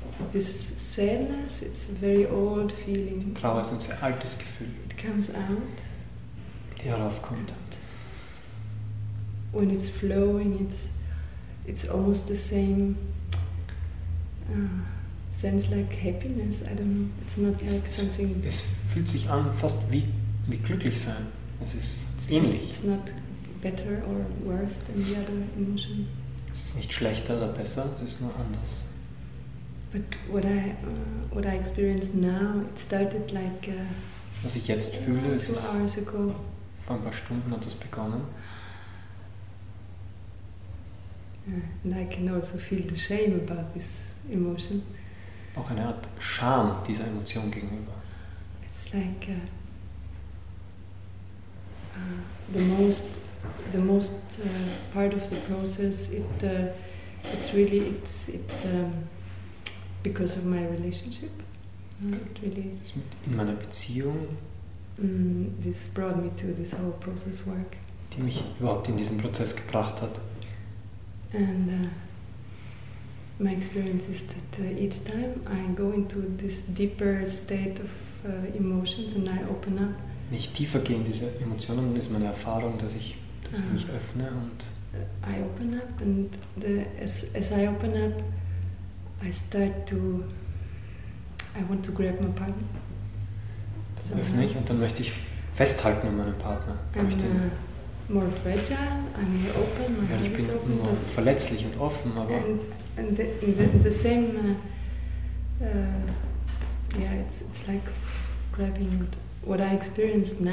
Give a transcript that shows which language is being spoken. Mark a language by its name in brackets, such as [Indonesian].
[English] This sadness, it's a very old feeling. [German] Trauer ist ein sehr altes Gefühl. [English] It comes out. [German] Die heraufkommt. [English] When it's flowing, it's almost the same sense like happiness. I don't know. It's not like something. [German] Es fühlt sich an fast wie glücklich sein. Es ist [English] it's [German] ähnlich. [English] It's not better or worse than the other emotion. [German] Es ist nicht schlechter oder besser. Es ist nur anders. [English] But what I experience now, it started like. [German] Was ich jetzt fühle, [English] two hours ago. [German] Vor ein paar Stunden hat das begonnen. [English] And I can also feel the shame about this emotion. [German] Auch eine Art Scham dieser Emotion gegenüber. [English] It's like the most part of the process. It's because of my relationship. Not really. [German] In meiner Beziehung. [English] This brought me to this whole process work. [German] Die mich überhaupt in diesen Prozess gebracht hat. [English] And my experience is that each time I go into this deeper state of emotions and I open up. [German] Wenn ich tiefer gehe in diese Emotionen, dann ist meine Erfahrung, dass ich mich öffne und. [English] I open up and as I open up, I start to. I want to grab my partner. [German] Dann öffne ich und dann möchte ich festhalten an meinem Partner. [English] More fragile, I'm more open, my heart is open. [German] Ja, ich bin nur verletzlich und offen, aber... [English] It's like grabbing and what I experience now...